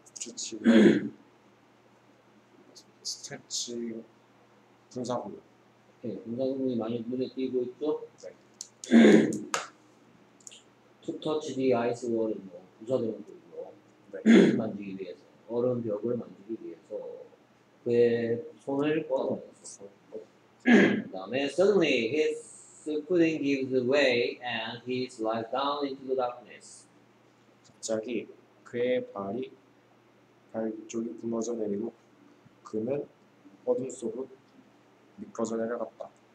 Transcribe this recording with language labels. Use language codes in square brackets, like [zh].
[ko] 스트레칭. 스트레칭 분사구. 네, 분사구이 많이 눈에 띄고 있죠. 네. [en] To touch the ice wall은 [ko] 뭐 부서지는 거고요. 네. 만지기 위해서 얼음 벽을 만지기 위해서 그의 손을 뻗으면서. 그 다음에 [en] suddenly his footing gives way and he slides down into the darkness. [ko] 갑자기 그의 발이 발쪽이 무너져 내리고 그는 어둠 속으로 미끄러져 내려갔다.